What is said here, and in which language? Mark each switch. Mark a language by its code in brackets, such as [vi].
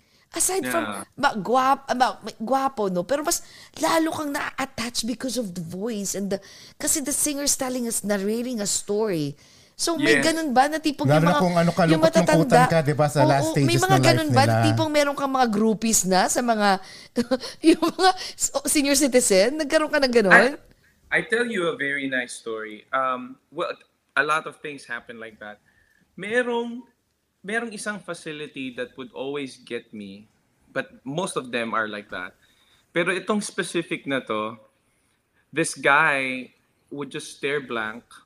[en] Aside from guwapo, no, [tl] pero mas lalo kang na-attach [en] because of the voice and the, kasi the singer's telling us, narrating a story. [tl] So yes, may ganun ba na tipong lalo yung mga kung ano kalupot yung matatanda, ka, diba, sa last stages ng life nila. May mga ganun ba na tipong meron kang mga groupies na sa mga yung mga senior citizen, nagkaroon ka ng ganun? [en] I tell you a very nice story. Well, a lot of things happen like that. [tl] Merong isang [en] facility that would always get me, but most of them are like that. [tl] Pero itong specific na to, [en] this guy would just stare blank.